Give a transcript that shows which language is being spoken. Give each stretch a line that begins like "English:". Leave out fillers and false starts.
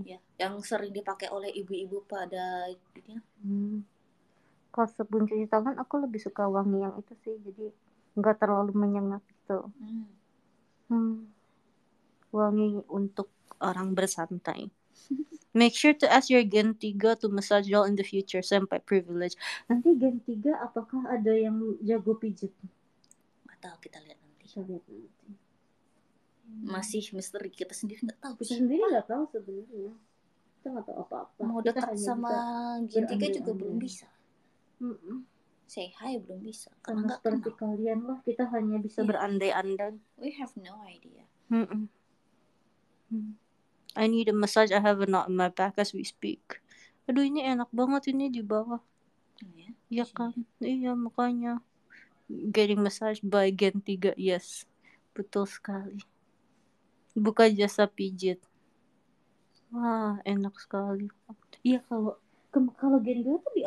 Indonesian: Ya, yang sering dipakai oleh ibu-ibu pada ini. Kalau sabun cuci tangan aku lebih suka wangi yang itu sih, jadi nggak terlalu menyengat gitu. wangi untuk orang bersantai.
English: Make sure to ask your gen 3 to massage y'all in the future, senpai privilege.
Indonesian: Nanti gen 3 apakah ada yang jago pijet? Gak tahu, kita lihat nanti. Masih misteri, kita sendiri gak tahu. Kita sendiri gak tahu sebenarnya. Kita gak tahu apa-apa. Mau dekat sama gen 3 juga belum bisa.
English: Say hi
Indonesian: belum bisa. Karena seperti kalian lah, kita hanya bisa berandai-andai.
English: We have no idea. I need a massage. I have a knot in my back as we speak.
Indonesian: Aduh, ini enak banget ini di bawah. Iya kan? Iya, makanya.
English: Getting massage by Gen 3. Yes.
Indonesian: Betul sekali. Buka jasa pijit. Wah, enak sekali. Iya, kalau Gen 2 tuh di